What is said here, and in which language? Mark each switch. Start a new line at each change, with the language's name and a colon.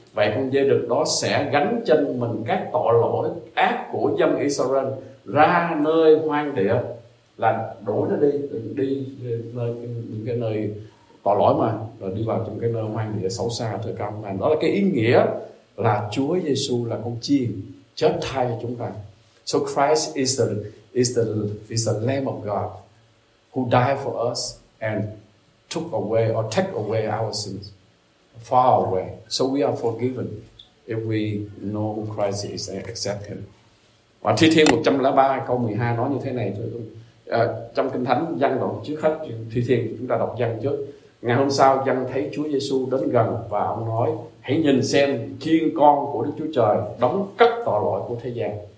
Vietnamese: Vậy con dê đực đó sẽ gánh trên mình các tội lỗi ác của dân Israel ra nơi hoang địa, là đuổi nó đi nơi những cái nơi tội lỗi mà, rồi đi vào trong cái nơi hoang địa xấu xa. Thưa các ông, đó là cái ý nghĩa là Chúa Giêsu là con chiên chết thay cho chúng ta.
English: So Christ is the Lamb of God who died for us and took away or take away our sins far away. So we are forgiven if we know who Christ is and accept him.
Vietnamese: Và Thi Thiên 103 câu 12 nói như thế này, trong Kinh Thánh văn đoạn trước hết, Thi Thiên chúng ta đọc văn trước. Ngày hôm sau văn thấy Chúa Giêsu đến gần và ông nói: hãy nhìn xem chiên con của Đức Chúa Trời đóng cất tội lỗi của thế gian.